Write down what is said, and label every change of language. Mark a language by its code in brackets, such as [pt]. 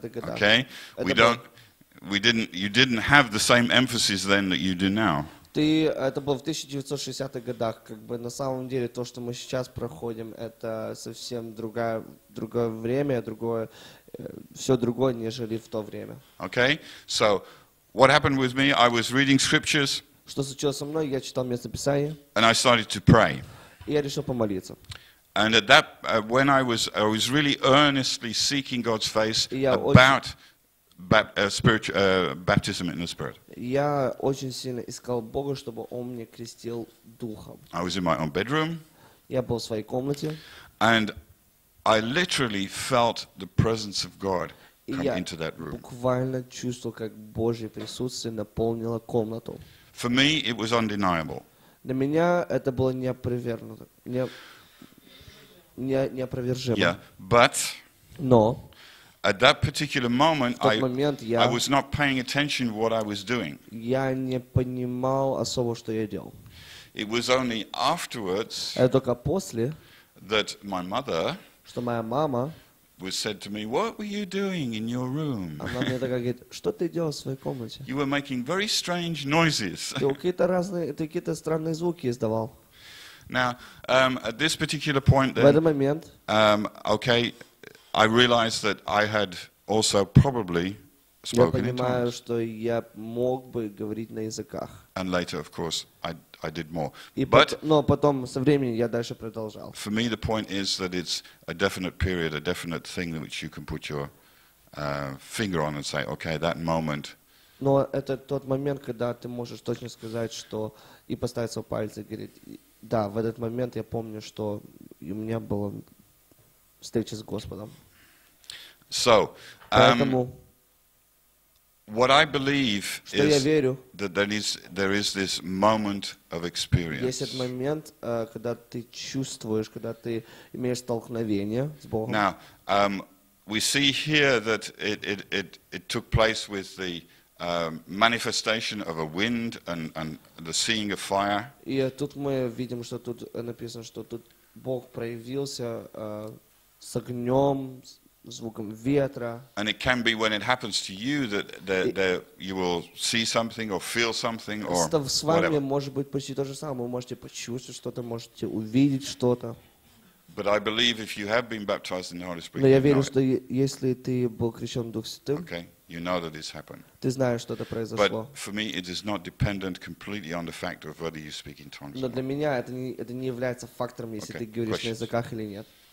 [en] Okay, you didn't have the same emphasis then that you do now. [ru] Это было в 1960-х годах, как бы на самом деле то, что мы сейчас проходим, это совсем другое время, другое, все другое, нежели в то время. [en] Okay, so what happened with me? I was reading scriptures. [ru] Что случилось со мной? Я читал местописание. [en] And I started to pray. [ru] И я решил помолиться. [en] And at that, when I was really earnestly seeking God's face about baptism in the Spirit. [ru] Я очень сильно искал Бога, чтобы Он меня крестил Духом. [en] I was in my own bedroom. [ru] Я был в своей комнате. [en] And I literally felt the presence of God come into that room. [ru] Я буквально чувствовал, как Божье присутствие наполнило комнату. [en] For me, it was undeniable. [ru] Для меня это было неопровержимо. [en] Yeah, but no. At that particular moment, I was not paying attention to what I was doing. [ru] Я не понимал особо, что я делал. [en] It was only afterwards. [ru] Это только после. [en] That my mother. [ru] Что моя мама. [en] Was said to me, "What were you doing in your room?" [ru] Она мне такая говорит, что ты делал в своей комнате? [en] You were making very strange noises. [ru] Ты какие-то странные звуки издавал. [en] Now, at this particular point, then, okay, I realized that I had also probably spoken in tongues. [ru] Что я мог бы говорить на языках. [en] And later, of course, I did more. [ru] Но потом со временем я дальше продолжал. [en] For me, the point is that it's a definite period, a definite thing in which you can put your finger on and say, okay, that moment. [ru] Но это тот момент, когда ты можешь точно сказать, что и поставить свой палец и говорить. Да, в этот момент я помню, что у меня была встреча с Господом. [en] So, [ru] поэтому, [en] what I believe [ru] что [en] is [ru] я верю, [en] that there is this moment of experience. [ru] Есть этот момент, когда ты чувствуешь, когда ты имеешь столкновение с Богом. [en] Now, we see here that it took place with the manifestation of a wind and the seeing of fire. [ru] И тут мы видим, что тут написано, что тут Бог проявился с огнем, звуком ветра. [en] And it can be when it happens to you that you will see something or feel something or whatever. [ru] С вами может быть почти то же самое. Вы можете почувствовать что-то, можете увидеть что-то. [en] But I believe if you have been baptized in the Holy Spirit. [ru] Но я верю, что если ты был крещен Духом Святым. [en] Okay. You know that this happened. [ru] Ты знаешь, что это произошло. [en] But for me, it is not dependent completely on the fact of whether you speak in tongues. [ru] Но для меня это не является фактором, если ты говоришь на языках или нет.